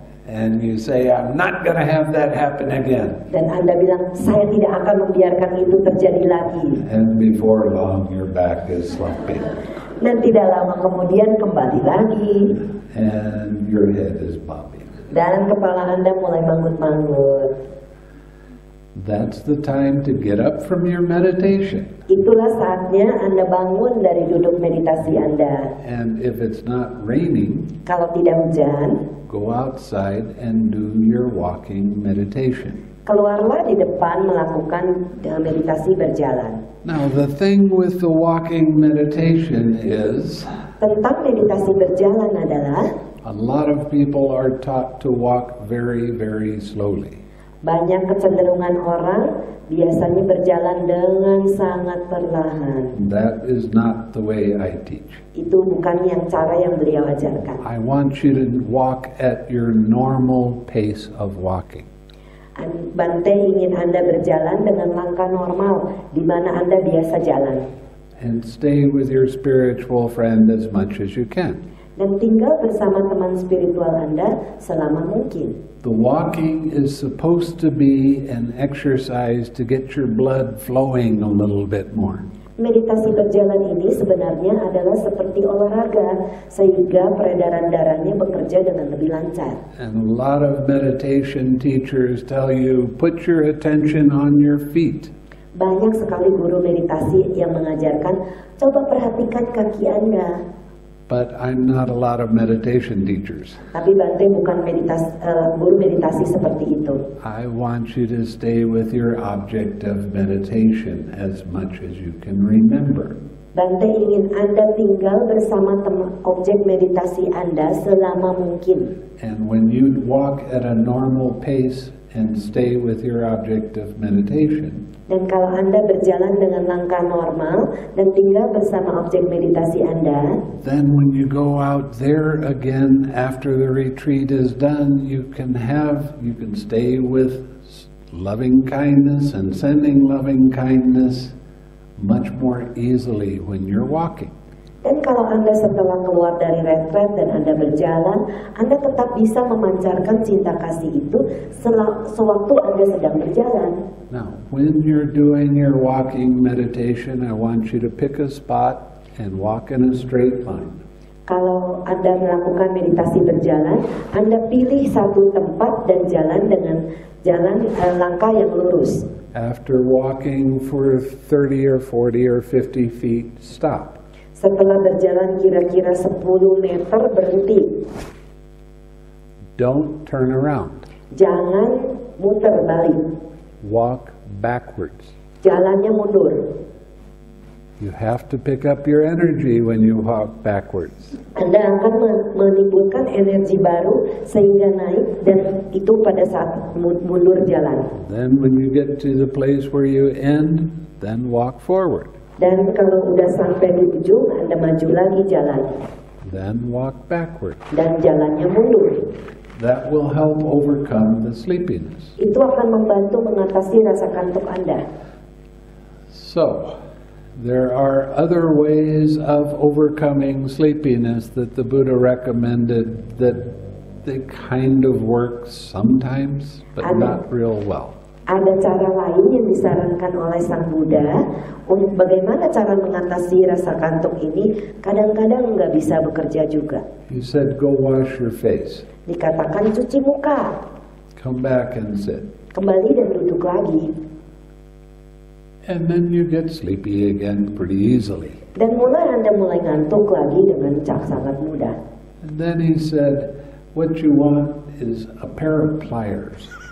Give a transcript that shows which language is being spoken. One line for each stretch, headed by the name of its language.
English: And you say, I'm not going to have that happen again.
Indonesian: Dan Anda bilang, saya tidak akan membiarkan itu terjadi lagi.
English: And before long, your back is slumping.
Indonesian: Dan tidak lama kemudian kembali lagi.
English: And your head is bobbing.
Indonesian: Dan kepala Anda mulai bangun-bangun.
English: That's the time to get up from your meditation.
Indonesian: Itulah saatnya Anda bangun dari duduk meditasi Anda.
English: And if it's not raining,
Indonesian: kalau tidak hujan,
English: go outside and do your walking meditation.
Indonesian: Keluarlah di depan melakukan meditasi berjalan.
English: Now the thing with the walking meditation is,
Indonesian: tentang meditasi berjalan adalah,
English: a lot of people are taught to walk very, very slowly.
Indonesian: Banyak kecenderungan orang biasanya berjalan dengan sangat perlahan.
English: That is not the way I teach.
Indonesian: Itu bukan yang cara yang beliau ajarkan.
English: I want you to walk at your normal pace of walking.
Indonesian: Bante ingin Anda berjalan dengan langkah normal di mana Anda biasa jalan.
English: And stay with your spiritual friend as much as you can.
Indonesian: Dan tinggal bersama teman spiritual Anda selama mungkin.
English: The walking is supposed to be an exercise to get your blood flowing a little bit more.
Indonesian: Meditasi berjalan ini sebenarnya adalah seperti olahraga sehingga peredaran darahnya bekerja dengan lebih lancar.
English: And a lot of meditation teachers tell you, put your attention on your feet.
Indonesian: Banyak sekali guru meditasi yang mengajarkan, coba perhatikan kaki Anda.
English: But I'm not a lot of meditation teachers.
Indonesian: Tapi Bante bukan guru meditasi seperti itu.
English: I want you to stay with your object of meditation as much as you can remember.
Indonesian: Bante ingin Anda tinggal bersama objek meditasi Anda selama mungkin.
English: And when you walk at a normal pace and stay with your object of meditation.
Indonesian: Dan kalau Anda berjalan dengan langkah normal dan tinggal bersama objek meditasi Anda,
English: then when you go out there again after the retreat is done, you can stay with loving kindness and sending loving kindness much more easily when you're walking.
Indonesian: Dan kalau Anda setelah keluar dari retreat dan Anda berjalan, Anda tetap bisa memancarkan cinta kasih itu sewaktu Anda sedang berjalan.
English: Now, when you're doing your walking meditation, I want you to pick a spot and walk in a straight line.
Indonesian: Kalau Anda melakukan meditasi berjalan, Anda pilih satu tempat dan jalan dengan langkah yang lurus.
English: After walking for 30 or 40 or 50 feet, stop.
Indonesian: Setelah berjalan kira-kira 10 meter, berhenti.
English: Don't turn around.
Indonesian: Jangan muter balik.
English: Walk backwards.
Indonesian: Jalannya mundur.
English: You have to pick up your energy when you walk backwards.
Indonesian: Anda akan menimbulkan energi baru sehingga naik dan itu pada saat mundur jalan.
English: Then when you get to the place where you end, then walk forward.
Indonesian: Dan kalau sudah sampai di ujung, Anda maju lagi jalan.
English: Then walk backwards.
Indonesian: Dan jalannya mundur.
English: That will help overcome the sleepiness.
Indonesian: Itu akan membantu mengatasi rasa kantuk Anda.
English: So, there are other ways of overcoming sleepiness that the Buddha recommended that they kind of work sometimes, but not real well.
Indonesian: Ada cara lain yang disarankan oleh Sang Buddha untuk bagaimana cara mengatasi rasa kantuk ini kadang-kadang enggak bisa bekerja juga.
English: He said, go wash your face.
Indonesian: Dikatakan cuci muka.
English: Come back and sit.
Indonesian: Kembali dan duduk lagi.
English: And then you get sleepy again pretty easily.
Indonesian: Dan mulai Anda mulai ngantuk lagi dengan sangat mudah.
English: And then he said, what you want is a pair of pliers.